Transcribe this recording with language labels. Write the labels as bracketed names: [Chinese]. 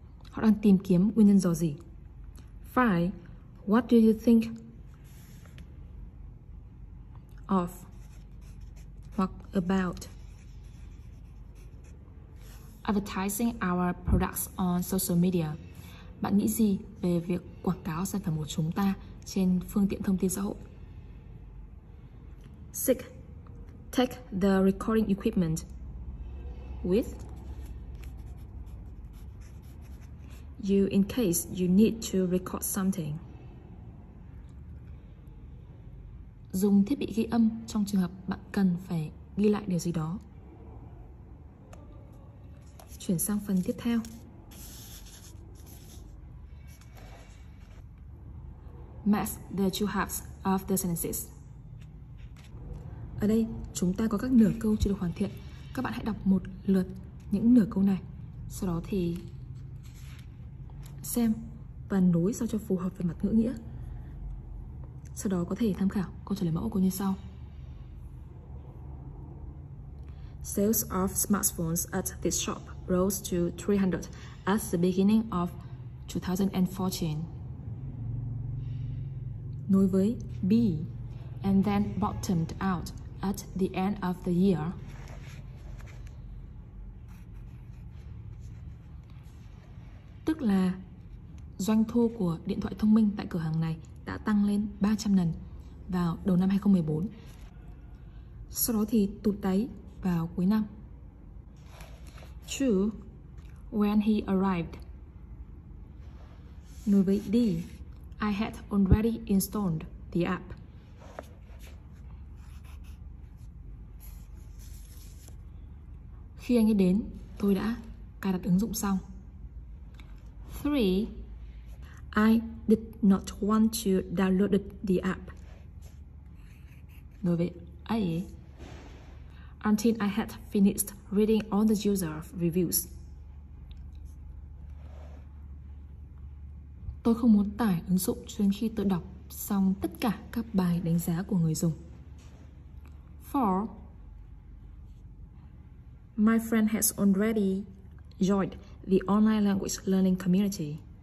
[Vietnamese] Họ đang tìm kiếm nguyên nhân rò rỉ. [English] Five, what do you think of hoặc about advertising our products on social media? [Vietnamese] Bạn nghĩ gì về việc quảng cáo sản phẩm của chúng ta trên phương tiện thông tin xã hội? 6. [English] Take the recording equipment with you in case you need to record something. [Vietnamese] Dùng thiết bị ghi âm trong trường hợp bạn cần phải ghi lại điều gì đó. Chuyển sang phần tiếp theo. [English] Match the two halves of the sentences. [Vietnamese] Ở đây, chúng ta có các nửa câu chưa được hoàn thiện. Các bạn hãy đọc một lượt những nửa câu này. Sau đó thì xem và nối sao cho phù hợp về mặt ngữ nghĩa. Sau đó có thể tham khảo câu trả lời mẫu của như sau. [English] Sales of smartphones at this shop rose to 300 at the beginning of 2014. [Vietnamese] Nối với B, [English] and then bottomed out at the end of the year. [Vietnamese] Tức là doanh thu của điện thoại thông minh tại cửa hàng này đã tăng lên 300 lần vào đầu năm 2014. Sau đó thì tụt đáy vào cuối năm. [English] True, when he arrived. [Vietnamese] Nối với D, [English] I had already installed the app. [Vietnamese] Khi anh ấy đến, tôi đã cài đặt ứng dụng xong. 3. [English] I did not want to download the app. [Vietnamese] Nói về A, [English] until I had finished reading all the user reviews. [Vietnamese] Tôi không muốn tải ứng dụng cho đến khi tôi đọc xong tất cả các bài đánh giá của người dùng. 4. [English] My friend has already joined the online language learning community.